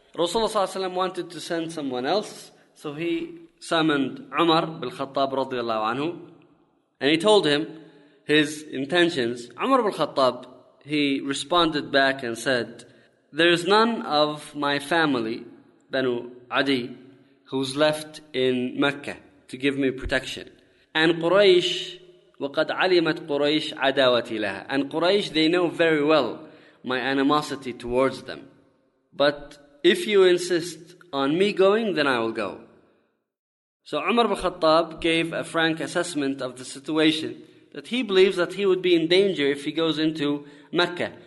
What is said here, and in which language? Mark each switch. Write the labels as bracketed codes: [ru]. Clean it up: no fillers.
[en] Rasulullah ﷺ wanted to send someone else, so he summoned Umar bin Khattab radiallahu anhu, and he told him his intentions. Umar bin Khattab, he responded back and said, "There is none of my family, Banu Adi, who's left in Mecca to give me protection. And Quraysh, [ar] وَقَدْ عَلِمَتْ Quraysh عَدَاوَتِي لَهَا. [en] And Quraysh, they know very well my animosity towards them. But if you insist on me going, then I will go." So Umar bin Khattab gave a frank assessment of the situation, that he believes that he would be in danger if he goes into Mecca.